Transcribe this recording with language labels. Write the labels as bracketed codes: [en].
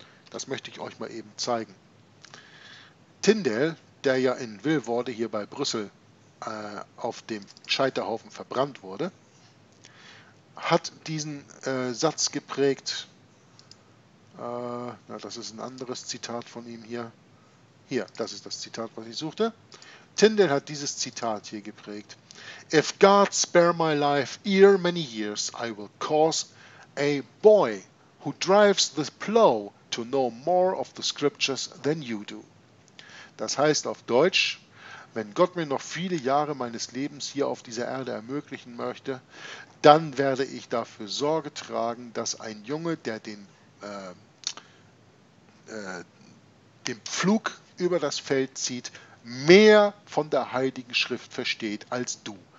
[de] Das möchte ich euch mal eben zeigen. Tyndale, der ja in Vilvoorde hier bei Brüssel auf dem Scheiterhaufen verbrannt wurde, hat diesen Satz geprägt. Das ist ein anderes Zitat von ihm hier. Hier, das ist das Zitat, was ich suchte. Tyndale hat dieses Zitat hier geprägt. [en] If God spare my life ere many years, I will cause a boy who drives the plow to know more of the scriptures than you do. [de] Das heißt auf Deutsch, wenn Gott mir noch viele Jahre meines Lebens hier auf dieser Erde ermöglichen möchte, dann werde ich dafür Sorge tragen, dass ein Junge, der den Pflug über das Feld zieht, mehr von der Heiligen Schrift versteht als du.